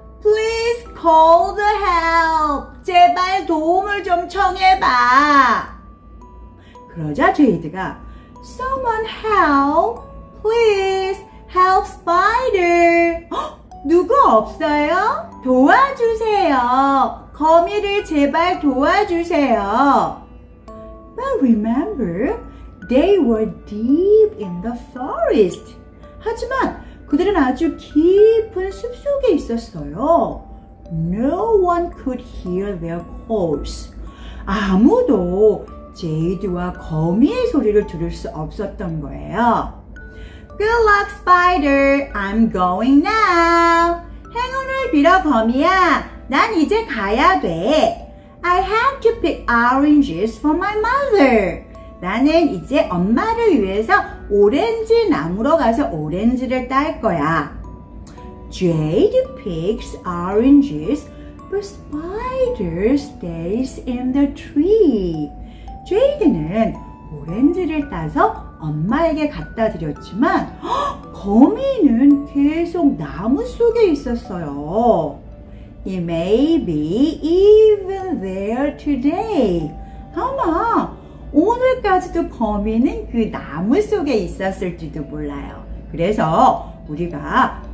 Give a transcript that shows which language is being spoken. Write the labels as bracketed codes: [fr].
[en] Please call the help! [ko] 제발 도움을 좀 청해봐! 그러자 제이드가 [en] Someone help! Please help spider! [ko] 누구 없어요? 도와주세요! 거미를 제발 도와주세요! [en] But remember, they were deep in the forest. [ko] 하지만 그들은 아주 깊은 숲속에 있었어요. [en] No one could hear their calls. [ko] 아무도 제이드와 거미의 소리를 들을 수 없었던 거예요. [en] Good luck, spider. I'm going now. [ko] 행운을 빌어, 거미야. 난 이제 가야 돼. [en] I have to pick oranges for my mother. [ko] 나는 이제 엄마를 위해서 오렌지 나무로 가서 오렌지를 딸 거야. [en] Jade picks oranges, but spider stays in the tree. [ko] Jade는 오렌지를 따서 엄마에게 갖다 드렸지만 거미는 계속 나무 속에 있었어요. [en] He may be even there today. [ko] 아마 오늘까지도 거미는 그 나무 속에 있었을지도 몰라요. 그래서 우리가